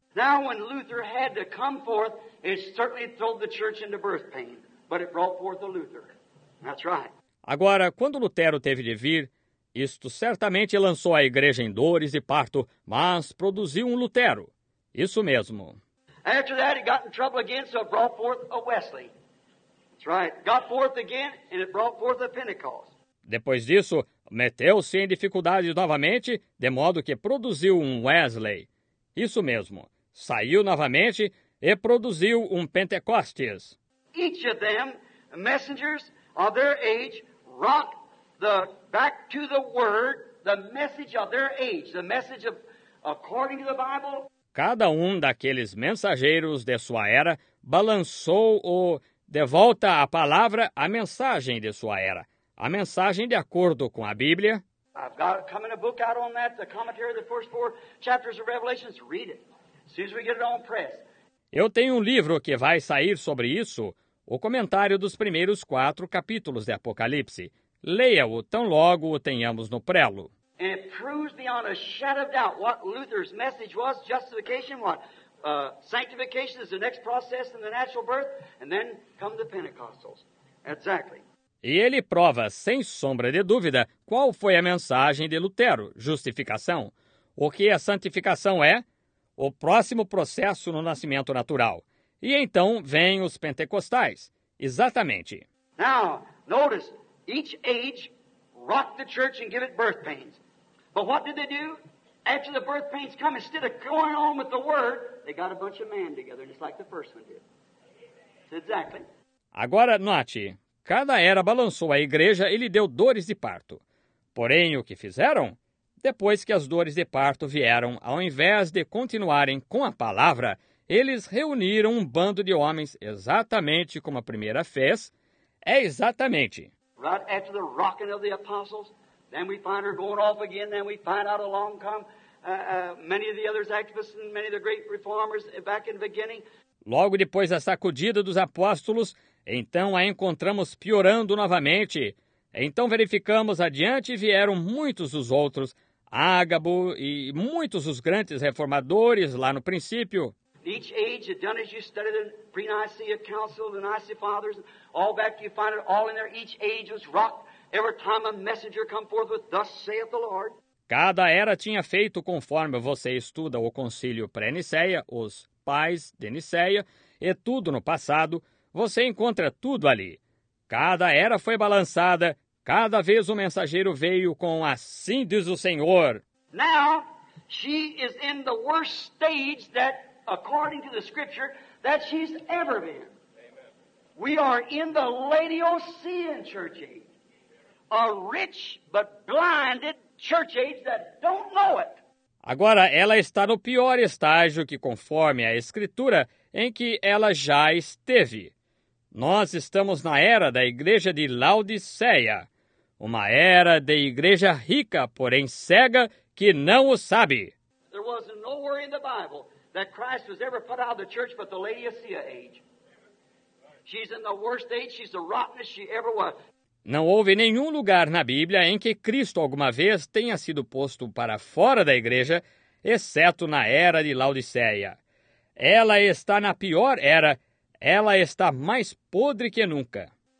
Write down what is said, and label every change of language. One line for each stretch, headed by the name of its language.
English: Now, when Luther had to come forth, it certainly threw the church into birth pain, but it brought forth a Luther. That's right.
Portuguese: Agora, quando Lutero teve de vir, isto certamente lançou a igreja em dores de parto, mas produziu um Lutero. Isso mesmo.
English: After that, it got in trouble again, so it brought forth a Wesley. That's right. Got forth again, and it brought forth a Pentecost.
Portuguese: Depois disso, meteu-se em dificuldades novamente, de modo que produziu um Wesley. Isso mesmo. Saiu novamente e produziu um Pentecostes.
English: Each of them, messengers of their age, brought the back to the word, the message of their age, the message of according to the Bible.
Portuguese: Cada um daqueles mensageiros de sua era balançou o de volta à palavra, a mensagem de sua era, a mensagem de acordo com a Bíblia.
English: I've got coming a book out on that, the commentary of the first four chapters of Revelation. Read it. As soon as we get it on press.
Portuguese: Eu tenho um livro que vai sair sobre isso, o comentário dos primeiros quatro capítulos de Apocalipse. Leia-o tão logo o tenhamos no prelo.
English: And it proves beyond a shadow of doubt what Luther's message was, justification, what? Sanctification is the next process in the natural birth, and then come the Pentecostals. Exactly.
Portuguese: E ele prova, sem sombra de dúvida, qual foi a mensagem de Lutero, justificação. O que a santificação é? O próximo processo no nascimento natural. E então vêm os pentecostais. Exatamente.
English: Now, notice, each age rocked the church and gave it birth pains. But what did they do? After the birth pains come, instead of going on with the word, they got a bunch of men together, just like the first one did. Exactly.
Portuguese: Agora, note. Cada era balançou a igreja e lhe deu dores de parto. Porém, o que fizeram? Depois que as dores de parto vieram, ao invés de continuarem com a palavra, eles reuniram um bando de homens exatamente como a primeira fez. É exatamente.
English: Right after the rocking of the apostles, then we find her going off again, then we find out along come many of the other activists and many of the great reformers back in the beginning.
Portuguese: Logo depois da sacudida dos apóstolos, então a encontramos piorando novamente. Então verificamos adiante e vieram muitos os outros, Ágabo e muitos os grandes reformadores lá no princípio.
English: Each age had done as you studied the pre-Nicaea Council, the Nicaea Fathers, all back you find it all in there. Each age was rocked every time a messenger come forth with thus saith the Lord.
Portuguese: Cada era tinha feito conforme você estuda o concílio pré-Nicéia, os pais de Nicéia, e tudo no passado. Você encontra tudo ali. Cada era foi balançada. Cada vez o mensageiro veio com assim diz o Senhor.
English: Now, she is in the worst stage that, according to the scripture, that she's ever been. Amen. We are in the Laodicean church age. A rich but blinded church age that don't know it.
Portuguese: Agora, ela está no pior estágio que, conforme a escritura, em que ela já esteve. Nós estamos na era da igreja de Laodiceia, uma era de igreja rica, porém cega, que não o sabe.
English: There was nowhere in the Bible that Christ was ever put out of the church but the Laodicea age. She's in the worst age, she's the rottenest she ever was.
Portuguese: Não houve nenhum lugar na Bíblia em que Cristo alguma vez tenha sido posto para fora da igreja, exceto na era de Laodiceia. Ela está na pior era. Ela está mais podre que nunca.